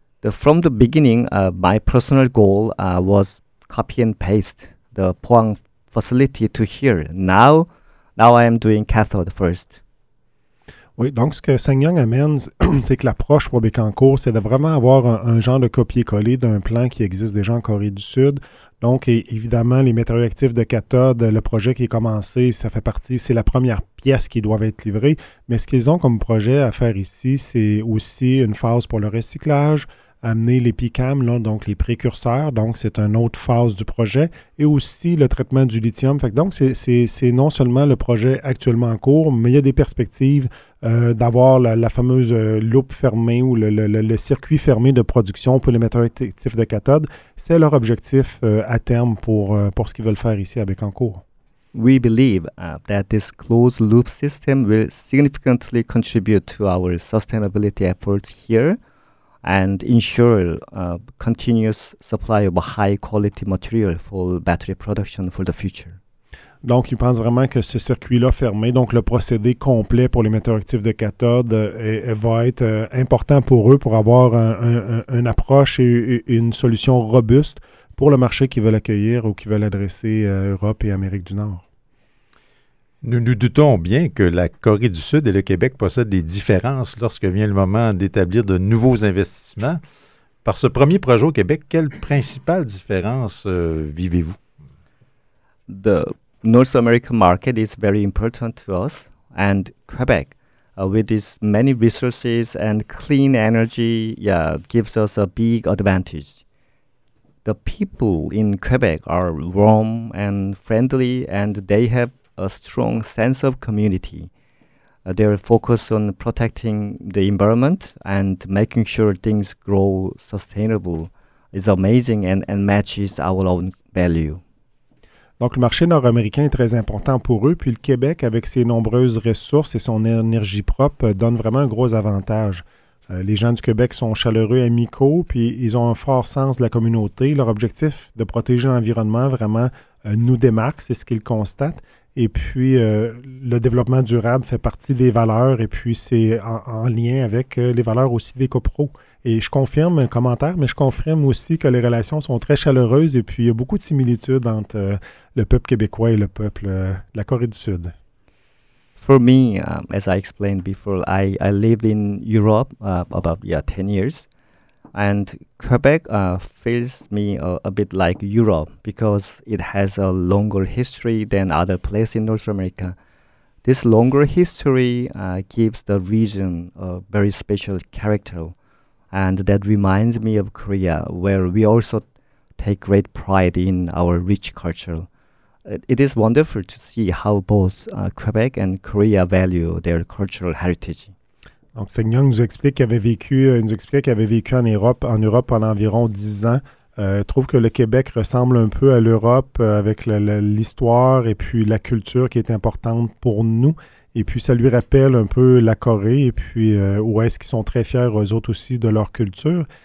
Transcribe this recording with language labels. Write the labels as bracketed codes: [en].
[en] From the beginning, my personal goal was copy and paste the Pohang facility to here. Now I am doing cathode first. [fr] Oui, donc ce que Sang-Yong amène, c'est que l'approche pour Bécancour, c'est de vraiment avoir un genre de copier-coller d'un plan qui existe déjà en Corée du Sud. Donc, évidemment, les matériaux actifs de cathode, le projet qui est commencé, ça fait partie, c'est la première pièce qui doit être livrée. Mais ce qu'ils ont comme projet à faire ici, c'est aussi une phase pour le recyclage, amener les PICAM, là, donc les précurseurs, donc c'est une autre phase du projet, et aussi le traitement du lithium. Fait que donc, c'est non seulement le projet actuellement en cours, mais il y a des perspectives d'avoir la fameuse loupe fermée ou le circuit fermé de production pour les matériaux actifs de cathode. C'est leur objectif à terme pour ce qu'ils veulent faire ici à Bécancour. [en] We believe that this closed loop system will significantly contribute to our sustainability efforts here. and ensure continuous supply of high quality material for battery production for the future. [fr] Donc, ils pensent vraiment que ce circuit-là fermé, donc le procédé complet pour les métaux actifs de cathode, va être important pour eux pour avoir une approche et une solution robuste pour le marché qu'ils veulent accueillir ou qu'ils veulent adresser Europe et Amérique du Nord. Nous doutons bien que la Corée du Sud et le Québec possèdent des différences lorsque vient le moment d'établir de nouveaux investissements. Par ce premier projet au Québec, quelle principale différence vivez-vous? [en] The North American market is very important to us, and Quebec, with its many resources and clean energy, gives us a big advantage. The people in Quebec are warm and friendly, and they have a strong sense of community. They are focused on protecting the environment and making sure things grow sustainable. It's amazing and matches our own value. [fr] Donc, le marché nord-américain est très important pour eux, puis le Québec, avec ses nombreuses ressources et son énergie propre, donne vraiment un gros avantage. Les gens du Québec sont chaleureux et amicaux, puis ils ont un fort sens de la communauté. Leur objectif de protéger l'environnement vraiment nous démarque, c'est ce qu'ils constatent. Et puis, le développement durable fait partie des valeurs, et puis c'est en lien avec les valeurs aussi des CoPro. Et je confirme un commentaire, mais je confirme aussi que les relations sont très chaleureuses et puis il y a beaucoup de similitudes entre le peuple québécois et le peuple de la Corée du Sud. [en] For me, as I explained before, I lived in Europe about 10 years. And Quebec feels me a bit like Europe because it has a longer history than other places in North America. This longer history gives the region a very special character. And that reminds me of Korea, where we also take great pride in our rich culture. It is wonderful to see how both Quebec and Korea value their cultural heritage. [fr] Donc, Seung-young nous explique qu'il avait vécu en Europe pendant environ 10 ans. Trouve que le Québec ressemble un peu à l'Europe avec l'histoire et puis la culture qui est importante pour nous. Et puis, ça lui rappelle un peu la Corée et puis où est-ce qu'ils sont très fiers, eux autres aussi, de leur culture.